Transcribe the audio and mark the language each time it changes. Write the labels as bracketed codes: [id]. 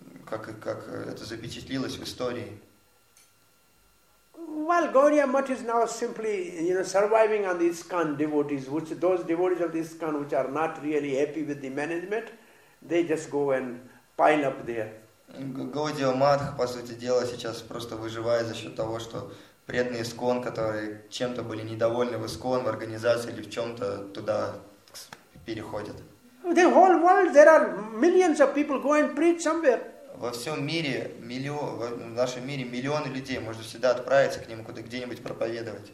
[ru] Как это запечатлилось в истории. [en] Well, Gauriya Math is now simply, you know, surviving on the ISKCON devotees, which those devotees of the ISKCON which are not really happy with the management, they just go and pile up there. [ru] Gaudiya Math, по сути дела, сейчас просто выживает за счет того, что преданные ISKCON, которые чем-то были недовольны в ISKCON, в организации или в чем-то, туда переходят. [en] The whole world, there are millions of people go and preach somewhere. [ru] Во всем мире, в нашем мире миллионы людей можно всегда отправиться к ним где-нибудь проповедовать.